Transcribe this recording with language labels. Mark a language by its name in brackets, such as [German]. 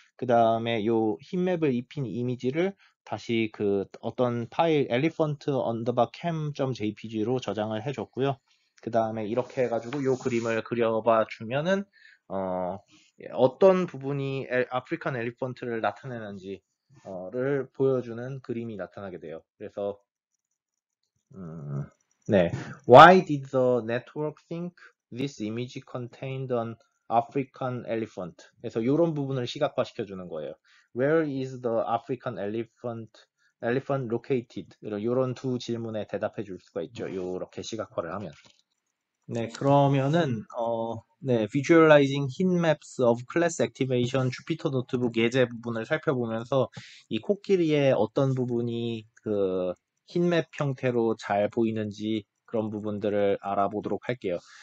[Korean] 그 다음에 요 힌맵을 입힌 이미지를 다시 그 어떤 파일 elephant underbar cam.jpg로 저장을 해줬고요. 그 다음에 이렇게 해가지고 요 그림을 그려봐 주면은 어떤 부분이 아프리칸 엘리펀트를 나타내는지 를 보여주는 그림이 나타나게 돼요. 그래서 네. [English] Why did the network think this image contained an African elephant? [Korean] 그래서 이런 부분을 시각화 시켜주는 거예요. [English] Where is the African elephant located? [Korean] 이런 두 질문에 대답해 줄 수가 있죠. 이렇게 시각화를 하면. 네, 그러면은 Visualizing Heatmaps of Class Activation Jupyter Notebook 예제 부분을 살펴보면서 이 코끼리의 어떤 부분이 그 힌맵 형태로 잘 보이는지 그런 부분들을 알아보도록 할게요.